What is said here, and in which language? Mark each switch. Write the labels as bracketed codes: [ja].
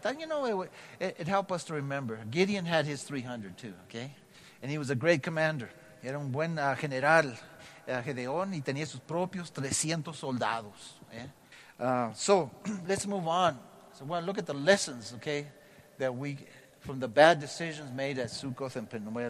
[en] I thought, you know, it helped us to remember. Gideon had his 300 too, okay? And he was a great commander. [es] Era un buen general, Gedeón, y tenía sus propios 300 soldados. [en] So let's move on. So we're going to look at the lessons, okay, that we... from the bad decisions made at Succoth and Penuel.